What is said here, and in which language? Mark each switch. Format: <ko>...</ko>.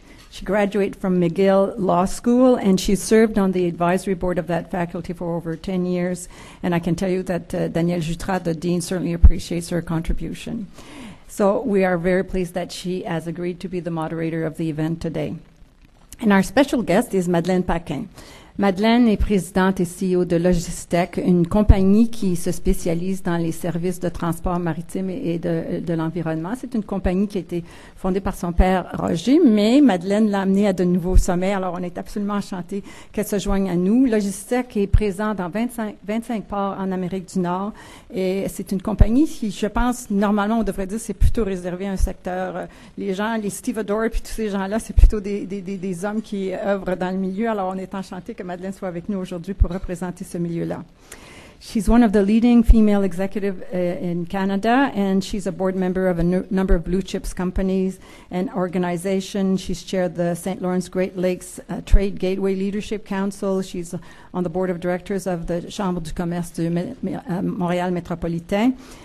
<en>She graduated from McGill Law School, and she served on the advisory board of that faculty for over 10 years. And I can tell you that Danielle Jutras, the dean, certainly appreciates her contribution. So we are very pleased that she has agreed to be the moderator of the event today. And our special guest is Madeleine Paquin.</en> <fr>Madeleine est présidente et CEO de Logistec, une compagnie qui se spécialise dans les services de transport maritime et de l'environnement. C'est une compagnie qui a été fondée par son père Roger, mais Madeleine l'a amenée à de nouveaux sommets. Alors, on est absolument enchantés qu'elle se joigne à nous. Logistec est présent dans 25 ports en Amérique du Nord et c'est une compagnie qui, je pense, normalement, on devrait dire, c'est plutôt réservé à un secteur. Les gens, les stevedores puis tous ces gens-là, c'est plutôt des hommes qui œuvrent dans le milieu. Alors, on est enchantés que Madeleine soit avec nous aujourd'hui pour représenter ce milieu-là.</fr> <en>She's one of the leading female executives in Canada, and she's a board member of a number of blue chips companies and organizations. She's chaired the St. Lawrence Great Lakes Trade Gateway Leadership Council. She's on the board of directors of the Chambre du commerce de Montréal métropolitain.</en>